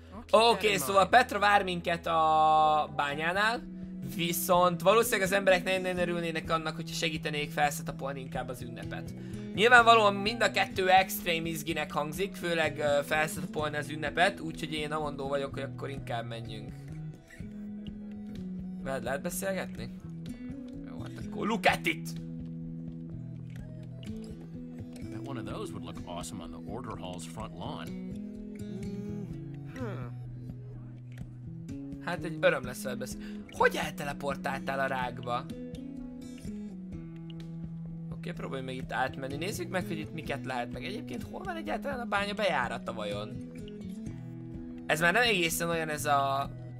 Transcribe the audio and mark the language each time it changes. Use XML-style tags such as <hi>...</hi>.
<hu>Okay, szóval Petra vár minket a bányánál, viszont valószínűleg az emberek nagyon-nagyon örülnének annak, hogyha segítenék felszetapolni inkább az ünnepet. Nyilvánvalóan mind a kettő extrém izginek hangzik, főleg felszetapolni az ünnepet, úgyhogy én amondó vagyok, hogy akkor inkább menjünk. Veled lehet beszélgetni?</hu> <en>Look at it! I bet one of those would look awesome on the order hall's front lawn.</en> <hu>Hát egy öröm lesz ebben. Hogy elteleportáltál a rágba? Oké, próbálj meg itt átmenni. Nézzük meg, hogy itt miket lehet meg. Egyébként hol van egyáltalán a bánya bejárata vajon? Ez már nem egészen olyan ez a...</hu>